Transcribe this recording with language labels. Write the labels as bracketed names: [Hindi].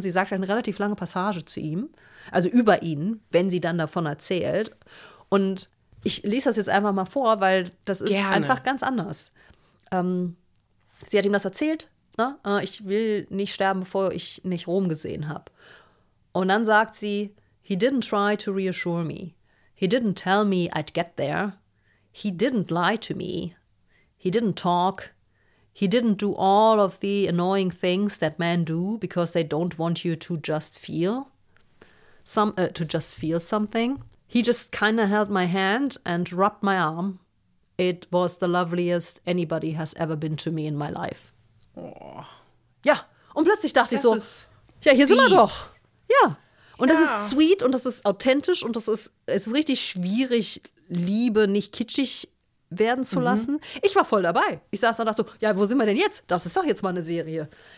[German] Sie sagt eine relativ lange Passage zu ihm, also über ihn, wenn sie dann davon erzählt. Und ich lese das jetzt einfach mal vor, weil das ist einfach ganz anders. Sie hat ihm das erzählt, ne? Ich will nicht sterben, bevor ich nicht Rom gesehen habe. Und dann sagt sie, [English] he didn't try to reassure me. He didn't tell me I'd get there. He didn't lie to me. He didn't talk. He didn't do all of the annoying things that men do because they don't want you to just feel. to just feel something. He just kind of held my hand and rubbed my arm. It was the loveliest anybody has ever been to me in my life. Oh. [German] Ja, und plötzlich dachte ich so, ja, hier sind wir doch. Ja, und das ist sweet und das ist authentisch und es ist richtig schwierig, Liebe nicht kitschig werden zu lassen. Ich war voll dabei. Ich saß da und dachte so, ja, wo sind wir denn jetzt? Das ist doch jetzt mal eine Serie.